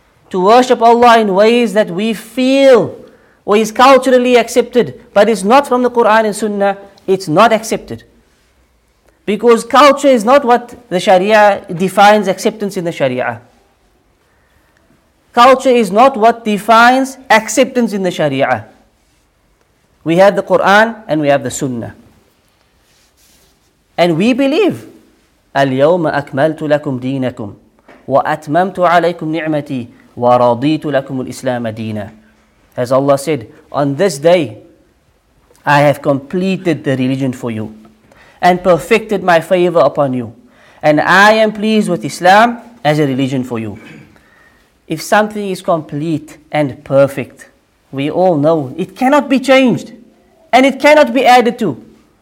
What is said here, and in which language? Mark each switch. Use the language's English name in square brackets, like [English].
[English] To worship Allah in ways that we feel or is culturally accepted, but it's not from the Quran and Sunnah, it's not accepted. Because culture is not what the Sharia defines acceptance in the Sharia. Culture is not what defines acceptance in the Sharia. We have the Quran and we have the Sunnah. And we believe, [Arabic] اليوم أكملت لكم دينكم وأتممت عليكم نعمتي ورضيت لكم الإسلام دينا. [English] As Allah said, on this day, I have completed the religion for you and perfected my favor upon you. And I am pleased with Islam as a religion for you. If something is complete and perfect, we all know it cannot be changed and it cannot be added to.